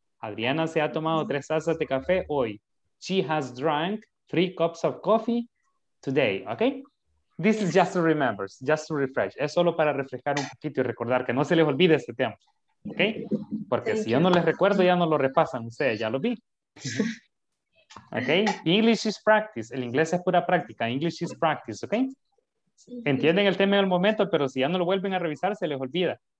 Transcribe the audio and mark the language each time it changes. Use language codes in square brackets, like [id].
[es] Adriana se ha tomado tres tazas de café hoy. [en] She has drunk three cups of coffee today. Okay. This is just to remember, just to refresh. [es] Es solo para refrescar un poquito y recordar que no se les olvide este tema. Ok, porque thank si you. Yo no les recuerdo, ya no lo repasan ustedes, ya lo vi. [en] Ok, English is practice, [es] el inglés es pura práctica, [en] English is practice, ok. [es] Entienden el tema del momento, pero si ya no lo vuelven a revisar, se les olvida.